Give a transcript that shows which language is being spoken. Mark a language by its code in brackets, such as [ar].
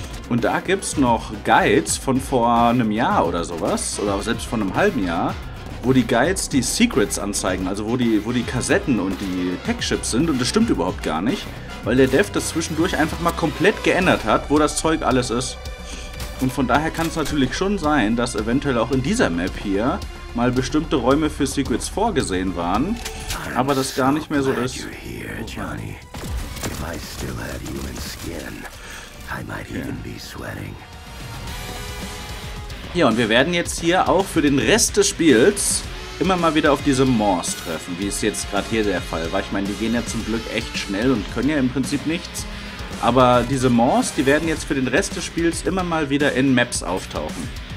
[de] Und da gibt's noch Guides von vor einem Jahr oder sowas, oder selbst von einem halben Jahr, wo die Guides die Secrets anzeigen, also wo die Kassetten und die Tech-Chips sind. Und das stimmt überhaupt gar nicht, weil der Dev das zwischendurch einfach mal komplett geändert hat, wo das Zeug alles ist. Und von daher kann es natürlich schon sein, dass eventuell auch in dieser Map hier mal bestimmte Räume für Secrets vorgesehen waren, aber das gar nicht mehr so ist. [en] Oh Johnny, if I still had human skin, I might even be sweating. [de] Ja, und wir werden jetzt hier auch für den Rest des Spiels immer mal wieder auf diese Maws treffen, wie es jetzt gerade hier der Fall war. Ich meine, die gehen ja zum Glück echt schnell und können ja im Prinzip nichts. Aber diese Maws, die werden jetzt für den Rest des Spiels immer mal wieder in Maps auftauchen.